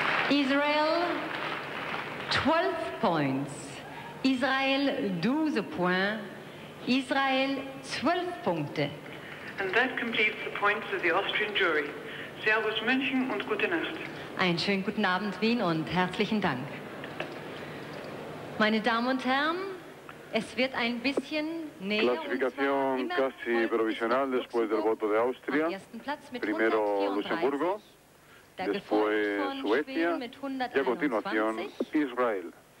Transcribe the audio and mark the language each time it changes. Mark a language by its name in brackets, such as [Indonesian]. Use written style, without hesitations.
[English] Israel, 12 points. Israel, 12 points. [German] Israel, 12 Punkte. [English] And that completes the points of the Austrian jury. [German] Servus München und gute Nacht. Einen schönen guten Abend, Wien, und herzlichen Dank. Meine Damen und Herren, es wird ein bisschen näher. [Spanish] Klassifikation casi provisional después del voto de Austria. Primero Luxemburgo, después Suecia, y a continuación Israel.